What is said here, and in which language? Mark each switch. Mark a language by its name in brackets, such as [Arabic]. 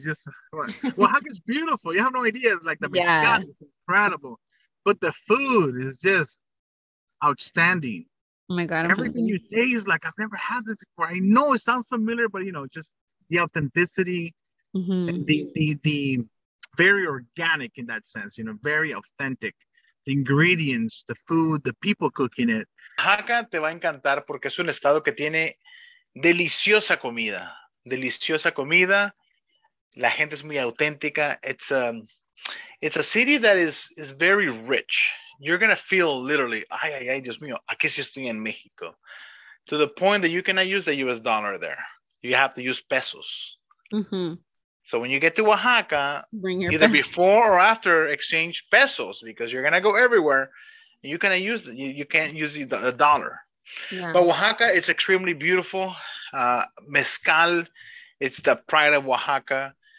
[English] Just Oaxaca is beautiful. You have no idea. Like the mezcal is incredible, but the food is just outstanding. Oh my God. Everything you taste, like I've never had this before. I know it sounds familiar, but you know, just the authenticity, the very organic in that sense, you know, very authentic. The ingredients, the food, the people cooking it. [Spanish] Oaxaca te va a encantar porque es un estado que tiene deliciosa comida. Deliciosa comida. La gente es muy auténtica. [English] It's a city that is very rich. You're going to feel literally, [Spanish] ay, ay, ay, Dios mío, aquí sí estoy en México. [English] To the point that you cannot use the U.S. dollar there. You have to use pesos. Mm-hmm. So when you get to Oaxaca, before or after, exchange pesos because you're going to go everywhere. You can use you can't use the dollar. Yeah. But Oaxaca, it's extremely beautiful. Mezcal, it's the pride of Oaxaca.